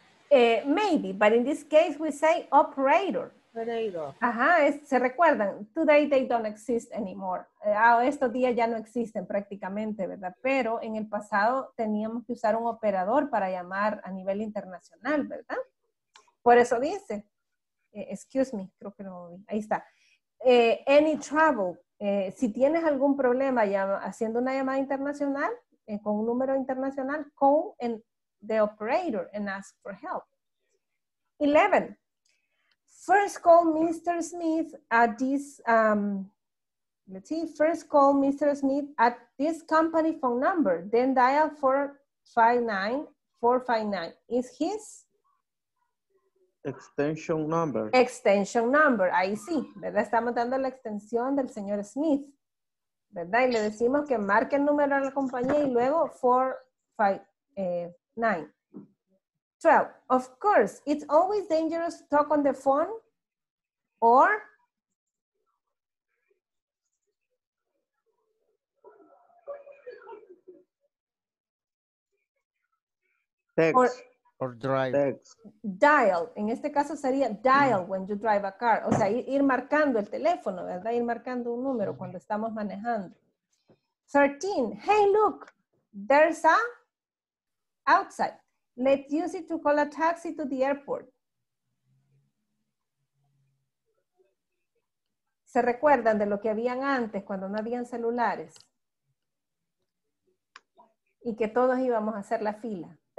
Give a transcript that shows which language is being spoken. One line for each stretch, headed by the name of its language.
English: Maybe, but in this case we say operator. Operator.
Spanish: Ajá, es, se recuerdan,
English: today they don't exist anymore.
Spanish: Estos días ya no existen prácticamente, ¿verdad? Pero en el pasado teníamos que usar un operador para llamar a nivel internacional, ¿verdad? Por eso dice,
English: excuse me,
Spanish: creo que no lo vi, ahí está. Any trouble, si tienes algún problema haciendo una llamada internacional, con un número internacional,
English: call and the operator and ask for help.
Spanish: 11.
English: First call Mr. Smith at this, let's see, first call Mr. Smith at this company phone number, then dial 459-459. Is his? Extension number. Extension number,
Spanish: ahí sí, ¿verdad? Estamos dando la extensión del señor Smith. ¿Verdad? Y le decimos que marque el número de la compañía y luego 459.
English: 12. Of course, it's always dangerous to talk on the phone or text or drive. Dial.
Spanish: En este caso sería
English: dial when you drive a car.
Spanish: O sea, ir marcando el teléfono, ¿verdad? Ir marcando un número cuando estamos manejando.
English: 13. Hey, look, there's a outside. Let's use it to call a taxi to the airport.
Spanish: ¿Se recuerdan de lo que habían antes cuando no habían celulares? Y que todos íbamos a hacer la fila.